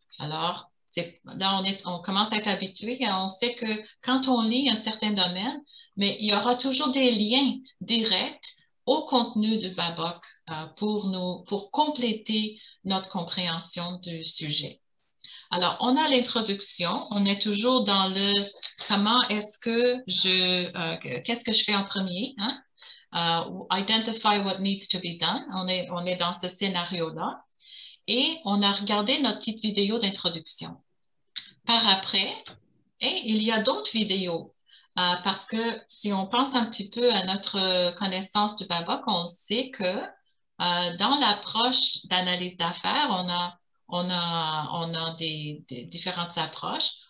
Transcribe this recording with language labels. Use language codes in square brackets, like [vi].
[fr] Alors, on commence à être habitué et on sait que quand on lit un certain domaine, mais il y aura toujours des liens directs au contenu du BABOC pour compléter notre compréhension du sujet. Alors, on a l'introduction, on est toujours dans le comment est-ce que qu'est-ce que je fais en premier, hein? [en] Identify what needs to be done. [fr] On est dans ce scénario-là. Et on a regardé notre petite vidéo d'introduction. par après. Et il y a d'autres vidéos. Parce que si on pense un petit peu à notre connaissance du Babok, on sait que dans l'approche d'analyse d'affaires, on a des différentes approches.